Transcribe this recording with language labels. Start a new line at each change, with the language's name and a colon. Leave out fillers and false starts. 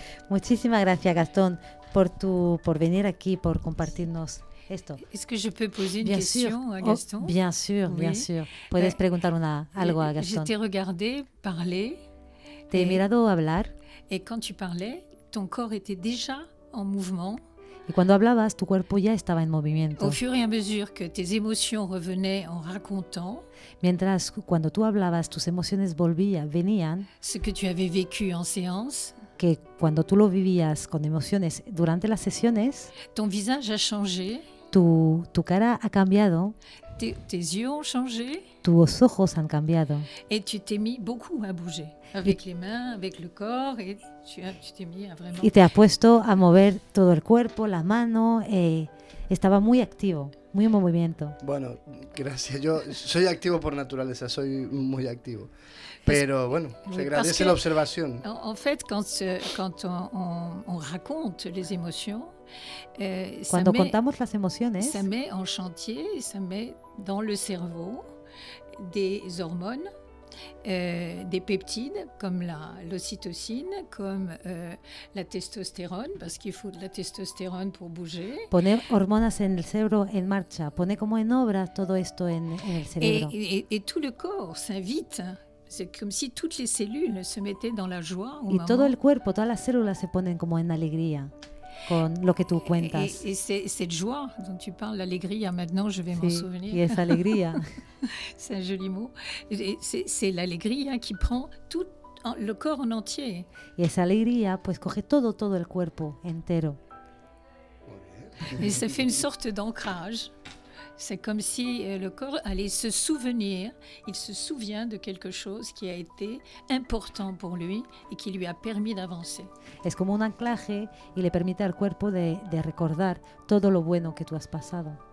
Spanish: Muchísimas gracias, Gastón, por venir aquí, por compartirnos esto.
French: Est-ce que je peux poser une question à Gaston? Oh, bien sûr, oui. Bien sûr.
Spanish: Puedes preguntar algo a Gaston.
French: Je t'ai regardé parler.
Spanish: Te he mirado hablar.
French: Et quand tu parlais, ton corps était déjà en mouvement.
Spanish: Y cuando hablabas, tu cuerpo ya estaba en movimiento.
French: Au fur et à mesure que tes émotions revenaient en racontant.
Spanish: Mientras, cuando tú hablabas, tus emociones venían.
French: Ce que tu avais vécu en séance.
Spanish: Que cuando tú lo vivías con emociones durante las sesiones,
French: ton visage a changé,
Spanish: tu cara ha cambiado,
French: tes yeux ont changé,
Spanish: tus ojos han cambiado,
French: et tu t'es mis beaucoup à bouger, avec les mains, avec le corps, et tu t'es mis à vraiment...
Spanish: Y te has puesto a mover todo el cuerpo, la mano, estaba muy activo, muy en movimiento. Bueno, gracias. Yo soy activo por naturaleza, soy muy activo. Pero bueno, se agradece la observación.
French: En fait, quand on raconte les émotions,
Spanish: cuando contamos las emociones,
French: ça met en chantier, ça met dans le cerveau des hormones, des peptides comme l'ocytocine, comme la testostérone, parce qu'il faut de la testostérone pour bouger.
Spanish: Poner hormonas en el cerebro en marcha, pone como en obra todo esto en el cerebro.
French: Et tout le corps s'invite. C'est comme si toutes les cellules se mettaient dans la joie. Et tout le
Spanish: cuerpo, todas las células se ponen como en alegría con lo que tú cuentas. Et c'est cette joie dont tu parles, l'alegría, maintenant je vais m'en souvenir. Y esa alegría.
French: C'est un joli mot. C'est l'alegría qui prend tout le corps en entier.
Spanish: Y esa alegría, pues coge todo el cuerpo entero.
French: Et ça fait une sorte d'ancrage. C'est comme si le corps allait se souvenir, il se souvient de quelque chose qui a été important pour lui et qui lui a permis d'avancer.
Spanish: Es como un anclaje y le permite al cuerpo de recordar todo lo bueno que tú has pasado.